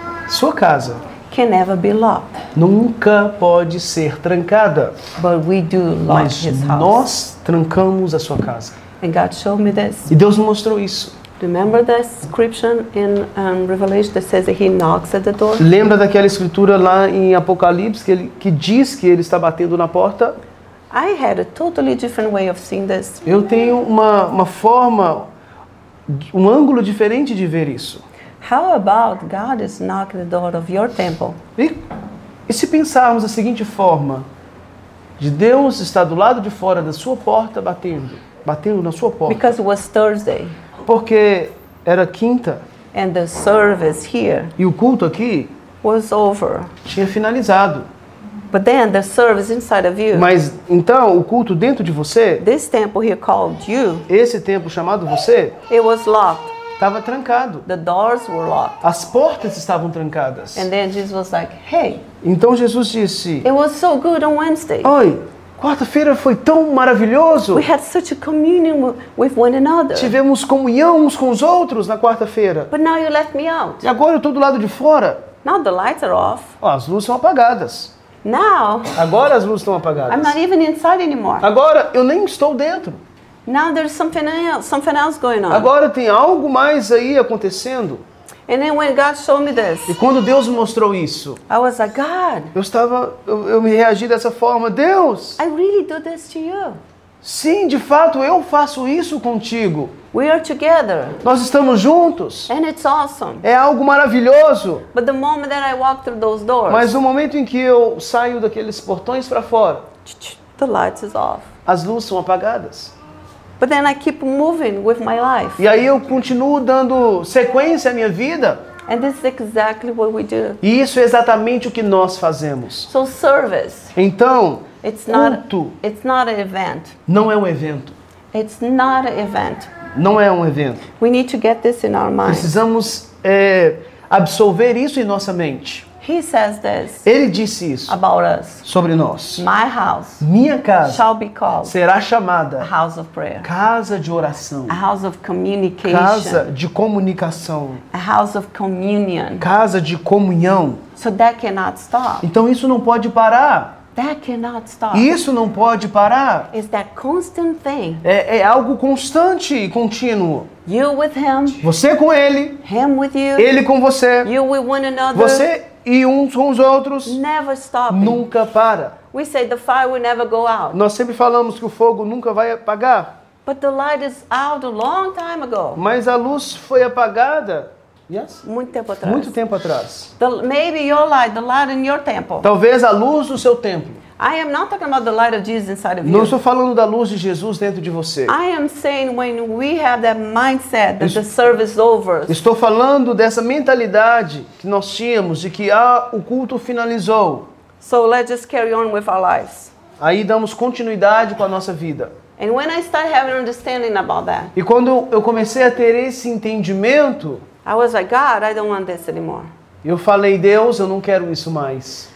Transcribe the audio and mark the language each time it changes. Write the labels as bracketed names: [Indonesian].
[Portuguese] Sua casa. [English] Can never be locked. [Portuguese] Nunca pode ser trancada. [English] But we do lock [Portuguese] mas [English] his house. [Portuguese] Nós trancamos a sua casa. [English] And God showed me this. [Portuguese] E Deus me mostrou isso. [English] Remember the scripture in Revelation that says that he knocks at the door? [Portuguese] Lembra daquela escritura lá em Apocalipse que diz que ele está batendo na porta? [English] I had a totally different way of seeing this. [Portuguese] Eu tenho uma forma, um ângulo diferente de ver isso. [English] How about God is knocking the door of your temple? [Portuguese] E se pensarmos da seguinte forma, de Deus estar do lado de fora da sua porta batendo na sua porta. [English] Because it was Thursday. [Portuguese] Porque era quinta. [English] And the service here. [Portuguese] E o culto aqui. [English] Was over. [Portuguese] Tinha finalizado. [English] But then the service inside of you. [Portuguese] Mas então o culto dentro de você. [English] This temple here called you. [Portuguese] Esse templo chamado você. [English] It was locked. [Portuguese] Estava trancado. [English] The doors were locked. [Portuguese] As portas estavam trancadas. [English] And then Jesus was like, hey. [Portuguese] Então Jesus disse. [English] It was so good on Wednesday. [Portuguese] Oi, quarta-feira foi tão maravilhoso. [English] We had such a communion with one another. [Portuguese] Tivemos comunhão uns com os outros na quarta-feira. [English] But now you left me out. [Portuguese] E agora eu estou do lado de fora. [English] Now the lights are off. [Portuguese] Oh, as luzes são apagadas. [English] Now. [Portuguese] Agora as luzes estão apagadas. [English] I'm not even inside anymore. [Portuguese] Agora eu nem estou dentro. [English] Now there's something else going on. [Portuguese] Agora tem algo mais aí acontecendo. [English] And then when God showed me this, [Portuguese] e quando Deus me mostrou isso, [English] I was like, God, [Portuguese] eu me reagi dessa forma, Deus. [English] I really do this to you. [Portuguese] Sim, de fato, eu faço isso contigo. [English] We are together. [Portuguese] Nós estamos juntos. [English] And it's awesome. [Portuguese] É algo maravilhoso. [English] But the moment that I walk through those doors, [Portuguese] mas o momento em que eu saio daqueles portões para fora, [English] the lights is off. [Portuguese] As luzes são apagadas. [English] But then I keep moving with my life. [Portuguese] E aí eu continuo dando sequência à minha vida. [English] And this is exactly what we do. [Portuguese] E isso é exatamente o que nós fazemos. [English] So service. [Portuguese] Então, [English] it's not, [Portuguese] culto. [English] It's not an event. [Portuguese] Não é um evento. [English] It's not an event. [Portuguese] Não é um evento. [English] We need to get this in our mind. [Portuguese] Precisamos absorver isso em nossa mente. [English] He says this. [Portuguese] Ele disse isso. [English] About us. [Portuguese] Sobre nós. [English] My house. [Portuguese] Minha casa. [English] Shall be called. [Portuguese] Será chamada. [English] A house of prayer. [Portuguese] Casa de oração. [English] A house of communication. [Portuguese] Casa de comunicação. [English] A house of communion. [Portuguese] Casa de comunhão. [English] So that cannot stop. [Portuguese] Então isso não pode parar. [English] That cannot stop. [Portuguese] Isso não pode parar. [English] It's that constant thing. [Portuguese] É algo constante e contínuo. [English] You with him. [Portuguese] Você com ele. [English] Him with you. [Portuguese] Ele com você. [English] You with one another. [Portuguese] Você e uns com os outros. [English] Never stopping. [Portuguese] Nunca para. [English] We say the fire will never go out. [Portuguese] Nós sempre falamos que o fogo nunca vai apagar. [English] But the light is out a long time ago. [Portuguese] Mas a luz foi apagada. Yes? Muito tempo atrás. Muito tempo atrás. [English] Maybe your light, the light in your temple. [Portuguese] Talvez a luz do seu templo. [English] I am not talking about the light of Jesus inside of you. [Portuguese] Não estou falando da luz de Jesus dentro de você. [English] I am saying when we have that mindset that the service is over. [Portuguese] Estou falando dessa mentalidade que nós tínhamos de que o culto finalizou. [English] So let's just carry on with our lives. [Portuguese] Aí damos continuidade com a nossa vida. [English] And when I start having understanding about that, [Portuguese] e quando eu comecei a ter esse entendimento, [English] I was like, God, I don't want this anymore. [Portuguese] Eu falei, Deus, eu não quero isso mais.